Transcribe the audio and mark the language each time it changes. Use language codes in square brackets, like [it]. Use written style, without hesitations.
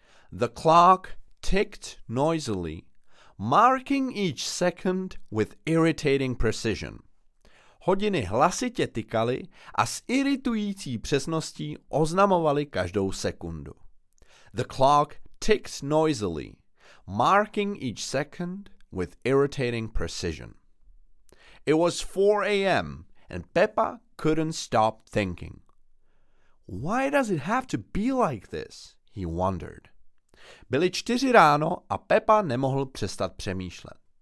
[en] The clock ticked noisily, marking each second with irritating precision. [cs] Hodiny hlasitě tikaly a s iritující přesností oznamovaly každou sekundu. [en] The clock ticked noisily, marking each second with irritating precision. It was 4 a.m. and Pepa couldn't stop thinking. Why does it have to be like this? He wondered. [cs] Byly 4 ráno a Pepa nemohl přestat přemýšlet.